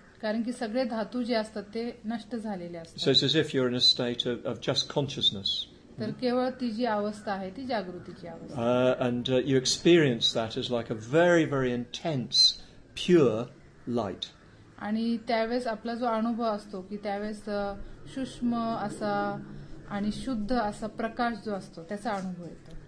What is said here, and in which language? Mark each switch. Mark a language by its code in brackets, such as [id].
[mr] कारण की सगळे धातू जे असतात ते नष्ट झालेले असतात. [en] So it's as if you're in a state of just consciousness. [mr] तर केवळ ती जी अवस्था आहे ती जागृतीची अवस्था. [en] And you experience that as like a very very intense pure light. [mr] आणि त्यावेळेस आपला जो अनुभव असतो की त्यावेळेस सूक्ष्म असा आणि शुद्ध असा प्रकाश जो असतो त्याचा अनुभव येतो.